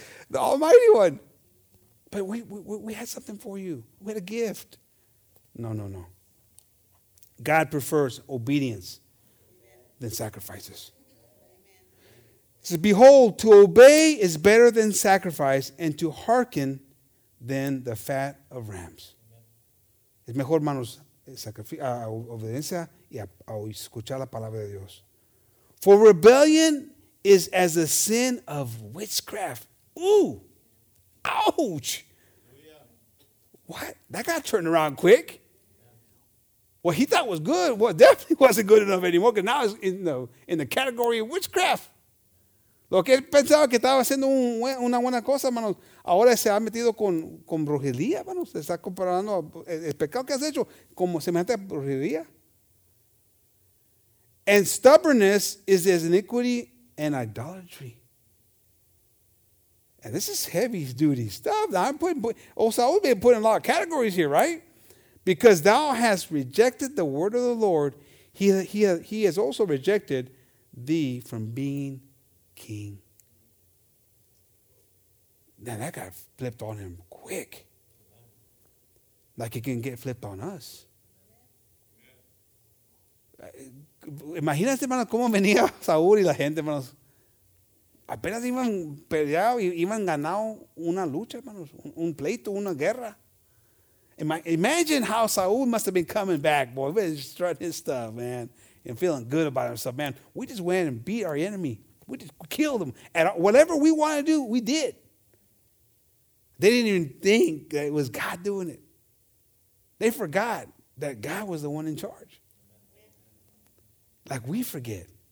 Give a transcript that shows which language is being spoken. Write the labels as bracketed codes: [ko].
[en] The Almighty One. But we had something for you. We had a gift. No. God prefers obedience than sacrifices. It says, behold, to obey is better than sacrifice, and to hearken than the fat of rams. [es] Es mejor, hermanos, obediencia y a escuchar la palabra de Dios. [en] For rebellion is as a sin of witchcraft. Ooh, ouch. What? That guy turned around quick. What he thought was good, well, definitely wasn't good enough anymore because now it's in the category of witchcraft. [es] Lo que pensaba que estaba haciendo una buena cosa, hermanos, ahora se ha metido con brujería, hermanos. Se está comparando el pecado que has hecho como se mete a brujería. [en] And stubbornness is as iniquity and idolatry. And this is heavy duty stuff. We've been putting a lot of categories here, right? Because thou hast rejected the word of the Lord, he has also rejected thee from being king. Now that guy flipped on him quick. Like he can get flipped on us. [es] Imagínate, hermano, cómo venía Saúl y la gente, hermano. Apenas iban peleados y iban ganado una lucha, hermanos, un pleito, una guerra. [en] Imagine how Saul must have been coming back, boy. He was strutting his stuff, man, and feeling good about himself. Man, we just went and beat our enemy. We just killed him. And whatever we wanted to do, we did. They didn't even think that it was God doing it. They forgot that God was the one in charge. Like, we forget.